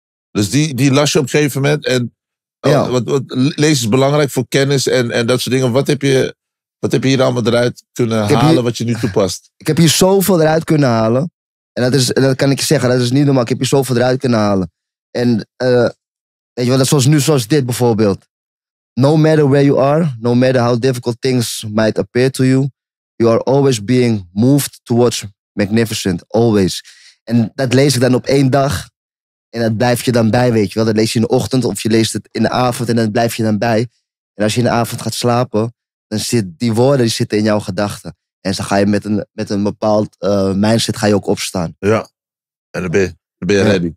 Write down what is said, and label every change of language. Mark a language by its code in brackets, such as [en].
[nl] Dus die las je op een gegeven moment en Ja. Wat lezen is belangrijk voor kennis en dat soort dingen. Wat heb je hier allemaal eruit kunnen halen wat je nu toepast? Ik heb hier zoveel eruit kunnen halen. En dat kan ik je zeggen, dat is niet normaal. Ik heb hier zoveel eruit kunnen halen. En weet je wat, zoals nu, zoals dit bijvoorbeeld. [en] No matter where you are, no matter how difficult things might appear to you, you are always being moved towards magnificent, always. [nl] En dat lees ik dan op één dag. En dat blijf je dan bij, weet je wel. Dat lees je in de ochtend of je leest het in de avond en dat blijf je dan bij. En als je in de avond gaat slapen, dan zit die woorden die zitten in jouw gedachten. En dan ga je met een bepaald mindset ga je ook opstaan. Ja, en dan ben je ready.